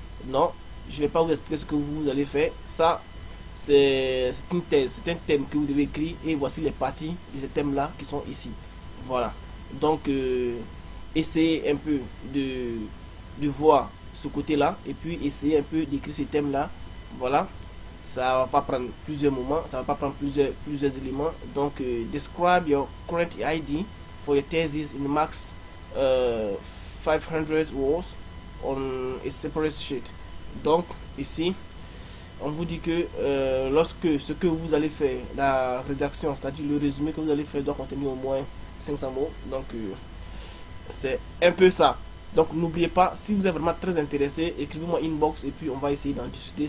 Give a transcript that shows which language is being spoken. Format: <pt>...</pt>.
<fr>Non, je vais pas vous expliquer ce que vous allez faire. Ça, c'est une thèse, c'est un thème que vous devez écrire, et voici les parties de ce thème-là qui sont ici. Voilà. Donc, essayez un peu de voir ce côté-là, et puis essayez un peu d'écrire ce thème-là. Voilà. Ça va pas prendre plusieurs moments, ça va pas prendre plusieurs éléments.</fr> <en>Donc, describe your current idea for your thesis in max 500 words on a separate sheet.</en> <fr>Donc ici, on vous dit que lorsque ce que vous allez faire, la rédaction, c'est-à-dire le résumé que vous allez faire, doit contenir au moins 500 mots. Donc c'est un peu ça. Donc n'oubliez pas, si vous êtes vraiment très intéressé, écrivez-moi inbox et puis on va essayer d'en discuter.</fr>